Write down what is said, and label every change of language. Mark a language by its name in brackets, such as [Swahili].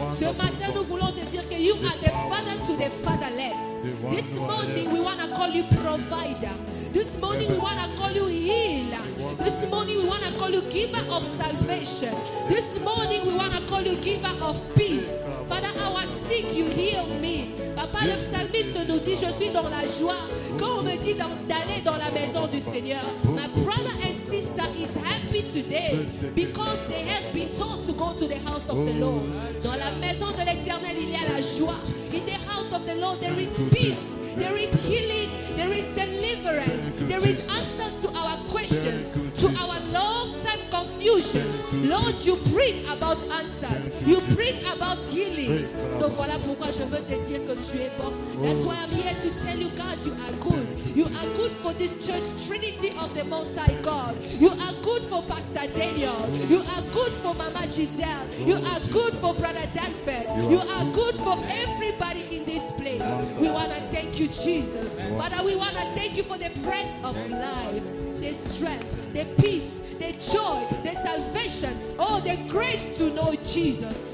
[French] Ce matin, nous voulons te dire que [English] you are the father to the fatherless. This morning, we want to call you provider. This morning, we want to call you healer. This morning, we want to call you giver of salvation. This morning, we want to call you giver of peace. Father, I was sick, you healed me. [French] Papa, le psalmiste nous dit, je suis dans la joie. Quand on me dit d'aller dans la maison du Seigneur, [English] my brother and sister is happy today because they have been taught to go to the house of the Lord. [French] Dans la maison de l'Éternel, il y a la joie. [English] In the house of the Lord, there is peace, there is healing, there is deliverance, there is answers to our questions, to our long-time confusions. Lord, you bring about answers, you bring about healings. [French] So voilà pourquoi je veux te dire que tu es bon. [English] That's why I'm here to tell you, God, you are good. You are good for this church, Trinity of the Most High God. You are good for Pastor Daniel. You are good for Mama Giselle. You are good for Brother Danford. You are good for everybody in this place. We want to thank you, Jesus. Father, we want to thank you for the breath of life, the strength, the peace, the joy, the salvation, oh, the grace to know Jesus.